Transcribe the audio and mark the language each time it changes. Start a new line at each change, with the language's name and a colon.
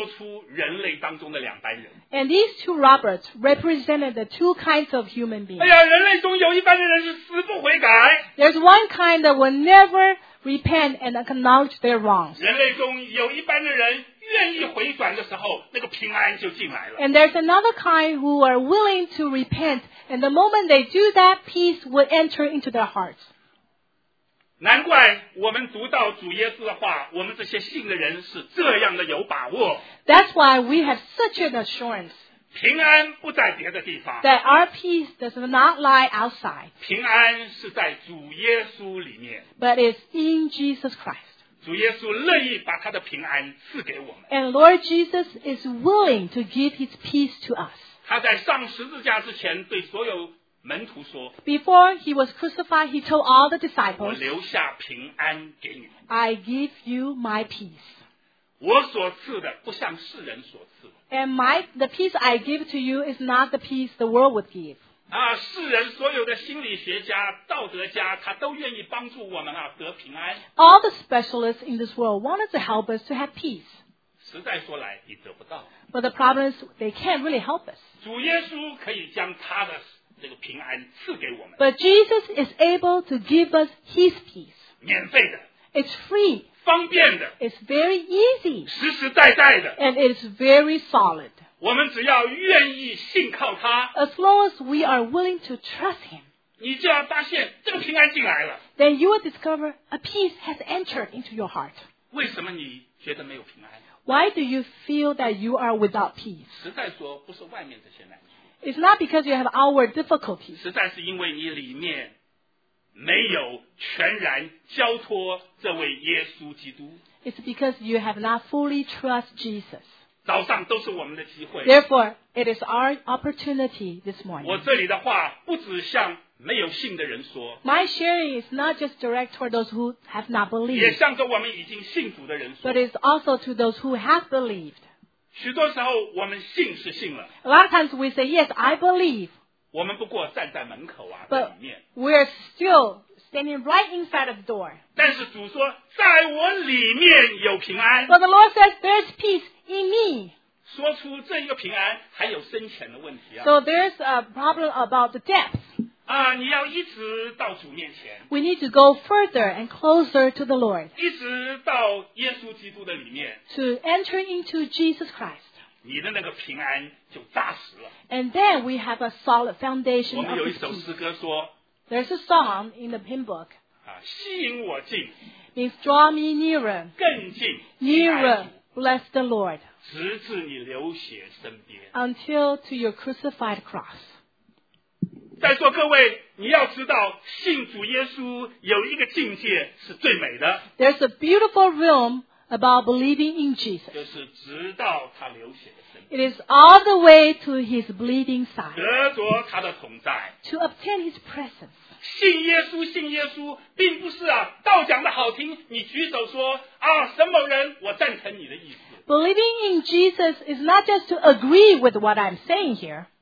Chinese: 这两个强盗说出人类当中的两般人,
English: and these two robbers represented the two kinds of human beings.
Chinese: 哎呀, 人类中有一般的人是死不悔改,
English: there's one kind that will never repent and acknowledge their wrongs.
Chinese: 人类中有一般的人愿意回转的时候,那个平安就进来了,
English: and there's another kind who are willing to repent, and the moment they do that, peace will enter into their hearts.
Chinese: 难怪我们读到主耶稣的话,我们这些信的人是这样的有把握,
English: that's why we have such an assurance.
Chinese: 平安不在别的地方,
English: that our peace does not lie outside.
Chinese: 平安是在主耶稣里面,
English: but it's in Jesus Christ.
Chinese: 主耶稣乐意把他的平安赐给我们,
English: and Lord Jesus is willing to give his peace to us.
Chinese: 他在上十字架之前对所有 门徒说,
English: before he was crucified, he told all the disciples,
Chinese: 我留下平安给你,
English: I give you my peace.
Chinese: 我所赐的不像世人所赐的,
English: and the peace I give to you is not the peace the world would give.
Chinese: 世人所有的心理学家、道德家，他都愿意帮助我们啊，得平安。
English: All the specialists in this world wanted to help us to have peace.
Chinese: 实在说来，你得不到。
English: But the problem is, they can't really help us.
Chinese: 主耶稣可以将他的这个平安赐给我们。
English: But Jesus is able to give us His peace.
Chinese: 免费的。
English: It's free.
Chinese: 方便的。
English: It's very easy.
Chinese: 实实在在的。
English: And it's very solid.
Chinese: 我们只要愿意信靠他
English: ，as long as we are willing to trust him，
Chinese: 你就要发现这个平安进来了。
English: Then you will discover a peace has entered into your heart。
Chinese: 为什么你觉得没有平安
English: ？Why do you feel that you are without peace？
Chinese: 实在说，不是外面这些难处。
English: It's not because you have outward difficulties。
Chinese: 实在是因为你里面没有全然交托这位耶稣基督。
English: It's because you have not fully trust Jesus。
Chinese: 早上都是我们的机会。
English: Therefore, it is our opportunity this morning.
Chinese: 我这里的话不只向没有信的人说。
English: My sharing is not just direct toward those who have not believed.
Chinese: 也向着我们已经信主的人说。
English: But it's also to those who have believed.
Chinese: 许多时候我们信是信了。
English: A lot of times we say, yes, I believe.
Chinese: 我们不过站在门口啊，
English: But
Chinese: 里面。
English: We're still standing right inside of the door.
Chinese: 但是主说，在我里面有平安。
English: But the Lord says, there's peace. In me.
Chinese: 说出这一个平安还有深浅的问题啊。
English: So there's a problem about the depth.
Chinese: 啊，你要一直到主面前。
English: We need to go further and closer to the Lord.
Chinese: 一直到耶稣基督的里面。
English: To enter into Jesus Christ.
Chinese: 你的那个平安就扎实了。
English: And then we have a solid foundation.
Chinese: 我们有一首诗歌说。
English: There's a song in the hymn book.
Chinese: 啊，吸引我近。
English: Means draw me nearer.
Chinese: 更近。
English: Nearer. Bless the Lord.
Chinese: 直至你流血身边。
English: Until to your crucified cross.
Chinese: 在座各位，你要知道，信主耶稣有一个境界是最美的。
English: There's a beautiful realm about believing in Jesus.
Chinese: 就是直到他流血的身边。
English: It is all the way to his bleeding side.
Chinese: 得着他的同在。
English: To obtain his presence.
Chinese: 信耶稣，信耶稣，并不是啊，道讲的好听，你举手说啊，什么人，我赞成你的意思。
English: Believing in Jesus is not just to agree with what I'm saying here.